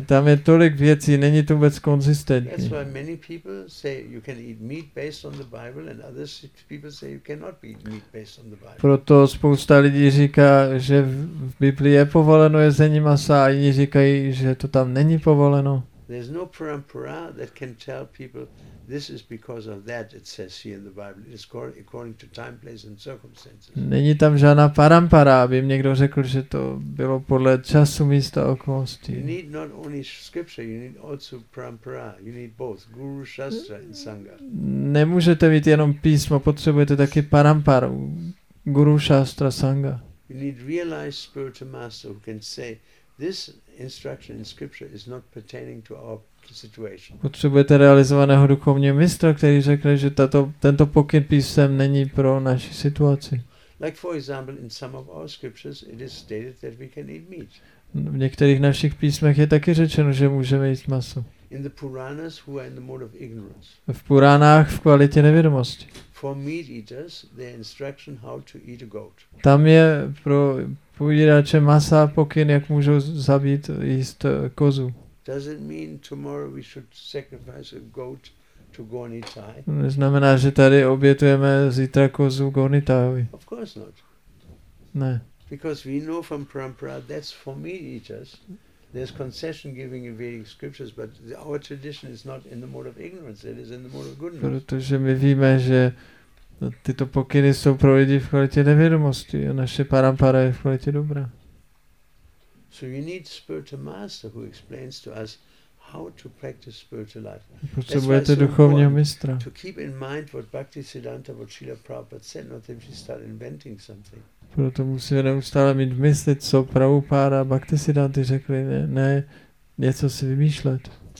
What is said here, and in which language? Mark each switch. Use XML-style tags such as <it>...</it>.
<cs>Tam je tolik věcí, není to vůbec konzistentní.</cs> <en>That's why many people say you can eat meat based on the Bible, and other people say you cannot eat meat based on the Bible.</en> <cs>Proto spousta lidí říká, že v Biblii je povoleno jezení masa, a jiní říkají, že to tam není povoleno.</cs> <en>There's no parampara that can tell people this is because of that it says here in the Bible. It's according to time, place and circumstances.</en> <cs>Není tam žádná parampara, aby mi někdo řekl, že to bylo podle času, místa, okolností.</cs> <en>You need not only scripture, you need also parampara. You need both guru, shastra and sangha.</en> <cs>Nemůžete mít jenom písmo, potřebujete taky paramparu, guru, shastra, sangha.</cs> <en>You need realized spiritual master who can say this instruction in scripture is not pertaining to our situation.</en> <cs>Potřebujete realizovaného duchovního mistra, který řekne, že tento pokyn písem není pro naši situaci.</cs> <en>Like for example, in some of our scriptures it is stated that we can eat meat.</en> <cs>V některých našich písmech je taky řečeno, že můžeme jíst maso.</cs> <en>In the Puranas, who are in the mode of ignorance.</en> <cs>V Puránách v kvalitě nevědomosti.</cs> <en>For meat eaters, their instruction how to eat a goat.</en> <cs>Tam je pro pojídače masa pokyn, jak můžou zabít jíst kozu.</cs> <en>Does it mean tomorrow we should sacrifice a goat to Gornitai?</en> <cs>Neznamená, že tady obětujeme zítra kozu Gornitaiovi.</cs> <en>Of course not.</en> <cs>Ne.</cs> <en>Because we know from parampara that's for meat eaters. There's concession giving in Vedic scriptures, but our tradition is not in the mode of ignorance, it is in the mode of goodness.</en> <cs>Protože my víme, že tyto pokyny jsou pro lidi v kvalitě nevědomosti a naše parampara je v kvalitě dobrá.</cs> <en>So you need spiritual master who explains to us how to practice spiritual life.</en> <cs>Potřebujete duchovního mistra.</cs> <en>To keep in mind what Bhaktisiddhanta or Srila Prabhupada said, not if you start inventing something.</en> <cs>Proto musíme neustále mít v mysli, co Prabhupada a Bhaktisiddhanta řekli, ne něco si vymýšlet.</cs>